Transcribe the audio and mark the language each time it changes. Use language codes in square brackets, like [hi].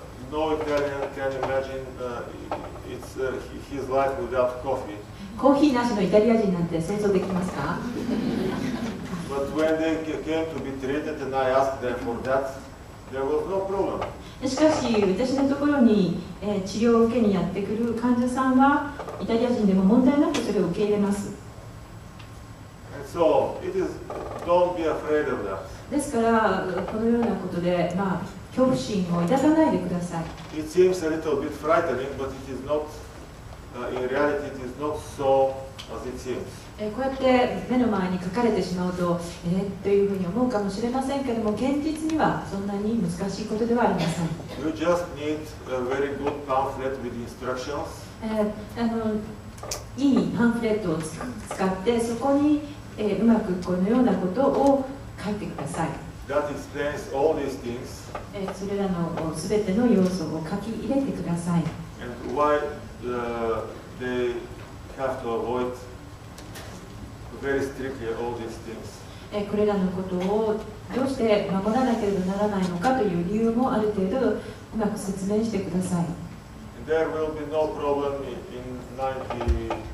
[en] No Italian can imagine it's his life without coffee. [ja] コーヒーなしのイタリア人なんて想像できますか？ [en] But when they came to be treated and I asked them for that, there was no problem. [ja] しかし私のところに、治療を受けにやってくる患者さんはイタリア人でも問題なくそれを受け入れます。 [en] So, it is, don't be afraid of that. [ja] ですからこのようなことで、まあ、恐怖心を抱かないでください。 [en] It seems a little bit frightening, but it is not, in reality, it is not so as it seems. [ja] こうやって目の前に書かれてしまうと、というふうに思うかもしれませんけれども、現実にはそんなに難しいことではありません。 [en] You just need a very good pamphlet with instructions. [ja] いいパンフレットを使って、そこに、うまくこのようなことを書いてください。 [en] That explains all these things. [ja] それらの全ての要素を書き入れてください。 [en] And why they have to avoidvery strictly all these things. [ja] これらのことをどうして守らなければならないのかという理由もある程度うまく説明してください。 [en] There will be no problem in 95%